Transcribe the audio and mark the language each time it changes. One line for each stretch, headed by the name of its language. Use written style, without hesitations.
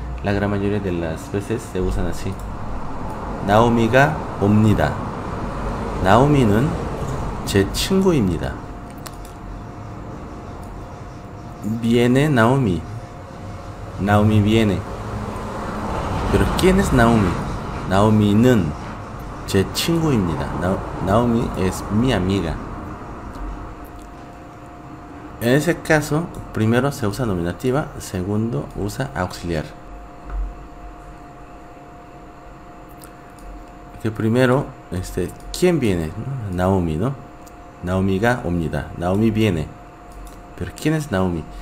Spanish: La gran mayoría de las veces se usan así.
Korean: Naomi가 옵니다. Naomi는 제 친구입니다.
Spanish: Viene Naomi. Naomi viene. Pero ¿quién es Naomi?
Korean: Naomi는 제 친구입니다.
Spanish: Naomi es mi amiga. En ese caso, primero se usa nominativa, segundo usa auxiliar. Que primero, ¿quién viene? Naomi, ¿no?
Korean: Naomi가 옵니다.
Spanish: Naomi viene. Pero ¿quién es Naomi?